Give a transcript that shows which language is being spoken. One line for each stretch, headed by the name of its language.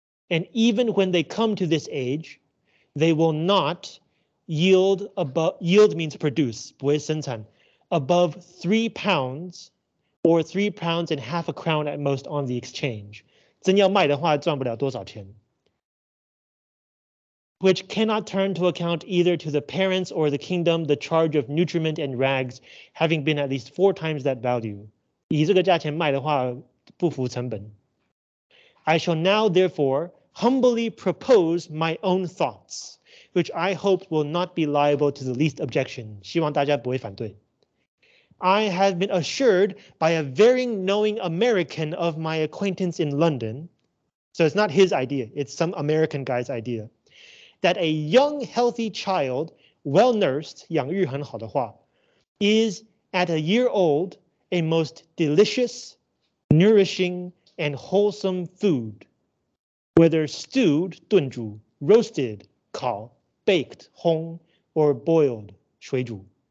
English: And even when they come to this age, they will not yield above, yield means produce,
Chinese: 不会生产,
English: above £3 or £3 and half a crown at most on the exchange.
Chinese: 真要卖的话赚不了多少钱。
English: Which cannot turn to account either to the parents or the kingdom the charge of nutriment and rags, having been at least four times that value.
Chinese: 以这个价钱卖的话不符成本。
English: I shall now, therefore, humbly propose my own thoughts, which I hope will not be liable to the least objection.
Chinese: 希望大家不会反对。
English: I have been assured by a very knowing American of my acquaintance in London, so it's not his idea, it's some American guy's idea, that a young, healthy child, well-nursed,
Chinese: 养育很好的话,
English: is, at a year old, a most delicious, nourishing, and wholesome food, whether stewed, 炖煮, roasted, 烤, baked, 烘, or boiled, 水煮.